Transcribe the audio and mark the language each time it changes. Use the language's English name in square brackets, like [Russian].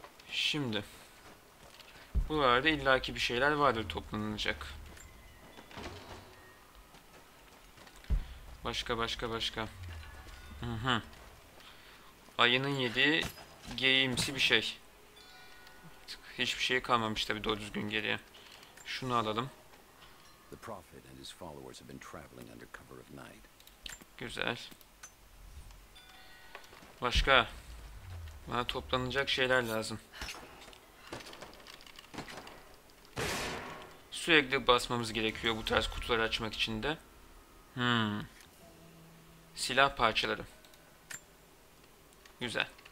[Turkish] Şimdi buralarda illaki bir şeyler vardır toplanılacak. Başka. Ayının yediği geyimsi bir şey. Hiçbir şey kalmamış tabii doğru düzgün geriye. Şunu alalım. [English] The prophet and his followers have been traveling under cover of night. [Turkish] Güzel. Başka. Bana toplanacak şeyler lazım. Sürekli basmamız gerekiyor bu tarz kutuları açmak için de. Silah parçaları. Güzel.